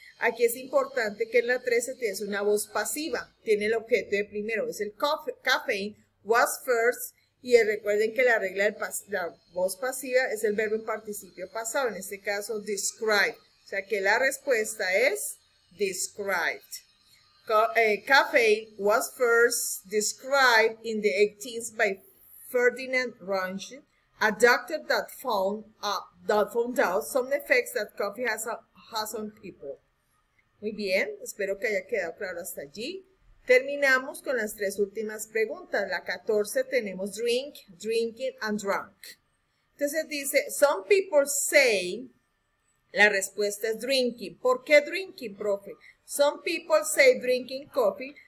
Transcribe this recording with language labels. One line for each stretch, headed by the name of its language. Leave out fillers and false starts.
Spanish: Aquí es importante que en la 13 tienes una voz pasiva, tiene el objeto de primero, es el caffeine,
English: was first,
Spanish: y recuerden que la regla de la voz pasiva es el verbo en participio pasado, en este caso describe, o sea que la respuesta es described.
English: Caffeine was first described in the 18th by Ferdinand Runge, a doctor that found out some effects that coffee has on people.
Spanish: Muy bien, espero que haya quedado claro hasta allí. Terminamos con las tres últimas preguntas. La 14 tenemos drink, drinking and drunk. Entonces dice,
English: some people say,
Spanish: la respuesta es drinking. ¿Por qué
English: drinking, profe? Some people say drinking coffee.